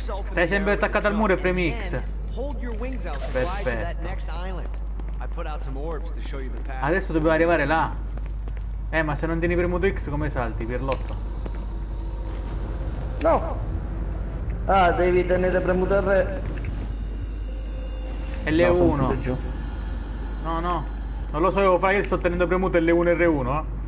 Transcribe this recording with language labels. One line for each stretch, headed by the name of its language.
Italian: Stai sempre attaccato al muro e premi X.
English: Hold your wings out to fly to that next island. I put out some orbs to show you the path.
Italian: Adesso dobbiamo arrivare là. Ma se non tieni premuto X come salti, pirlotto? No! Ah, devi tenere premuto R. L1. No, no. Non lo so, devo fare, sto tenendo premuto L1 R1.